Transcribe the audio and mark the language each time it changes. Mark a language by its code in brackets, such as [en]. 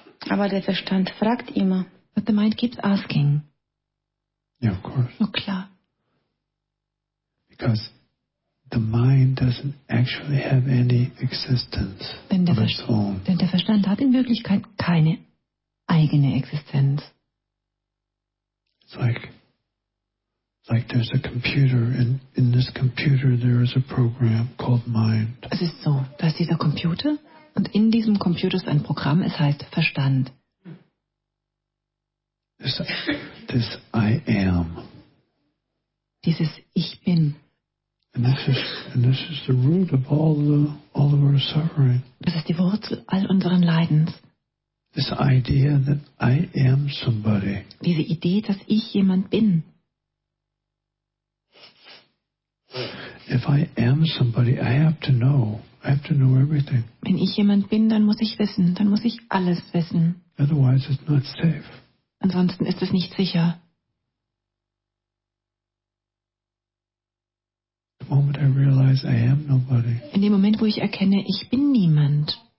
[de] Aber der Verstand fragt immer. [en] But the mind keeps asking. Yeah, of course. [de] Na klar. [en] Because the mind doesn't actually have any existence of its own. [de] Denn der Verstand hat in Wirklichkeit keine eigene Existenz. [en] Like there's a computer, and in this computer there is a program called mind. [de] Es ist so, da ist dieser Computer, und in diesem Computer ist ein Programm, es heißt Verstand. [en] This I am. [de] Dieses Ich bin. [en] And this is the root of all of our suffering. [de] Das ist die Wurzel all unseren Leidens. [en] This idea that I am somebody. [de] Diese Idee, dass ich jemand bin. [en] If I am somebody, I have to know. I have to know everything. [de] Wenn ich jemand bin, dann muss ich wissen. Dann muss ich alles wissen. [en] Otherwise, it's not safe. [de] Ansonsten ist es nicht sicher. [en] The moment I realize I am nobody. [de] In dem Moment, wo ich erkenne, ich bin niemand.